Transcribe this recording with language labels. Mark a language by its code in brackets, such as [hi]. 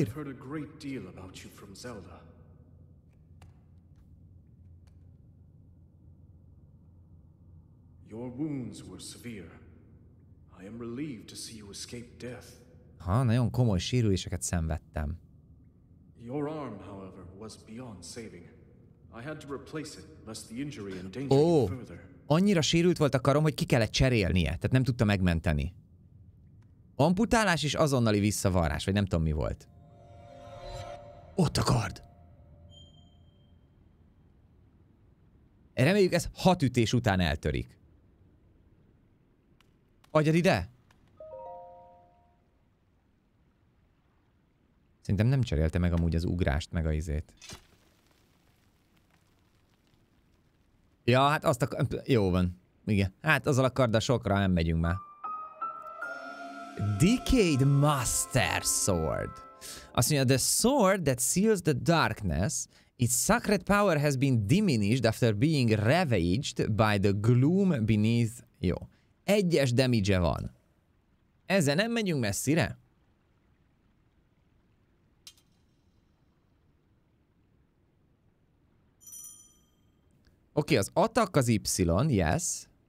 [en] I've heard a great deal about you from Zelda. Your wounds were severe. I am relieved to see you escape death. [hu] Ha, nagyon komoly sérüléseket szenvedtem. [en] Your arm, however, was beyond saving. I had to replace it, lest the injury endanger you further. [hu] annyira sérült volt a karom, hogy ki kellett cserélnie, tehát nem tudta megmenteni. Amputálás és azonnali visszavarrás, vagy nem tudom mi volt. Ott a kard! Reméljük ez 6 ütés után eltörik. Adjad ide! Szerintem nem cserélte meg amúgy az ugrást, meg a izét. Ja, hát azt a... Jó van. Igen. Hát azzal a karddal sokra nem megyünk már. [en] Decayed Master Sword. [hu] Azt mondja, [en] the sword that seals the darkness, its sacred power has been diminished after being ravaged by the gloom beneath... [hu] Jó. Egyes damage-e van. Ezzel nem megyünk messzire? Oké, az attack az Y, yes.